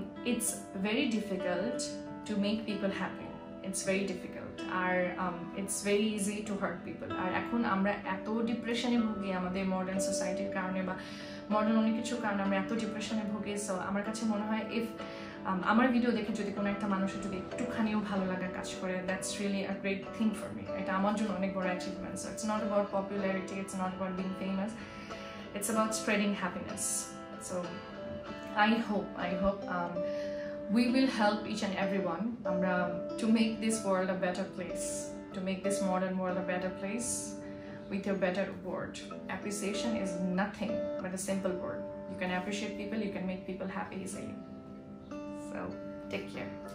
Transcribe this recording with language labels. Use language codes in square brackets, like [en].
[en] It's very difficult to make people happy. It's very difficult. It's very easy to hurt people. [bn] আর এখন আমরা এত ডিপ্রেশনে ভুগি আমাদের মডার্ন সোসাইটির কারণে বা মডার্ন অনেক কিছুর কারণে আমরা এত ডিপ্রেশনে ভুগি. সো আমার কাছে মনে হয় ইফ আমার ভিডিও দেখে যদি কোনো একটা মানুষের যদি একটুখানিও ভালো লাগা কাজ করে, [en] That's really a great thing for me. [bn] এটা আমার জন্য অনেক বড় achievement. [en] So it's not about popularity, it's not about being famous, it's about spreading happiness. So I hope we will help each and everyone to make this world a better place, to make this modern world a better place with a better word. Appreciation is nothing but a simple word. You can appreciate people, you can make people happy easily. So take care.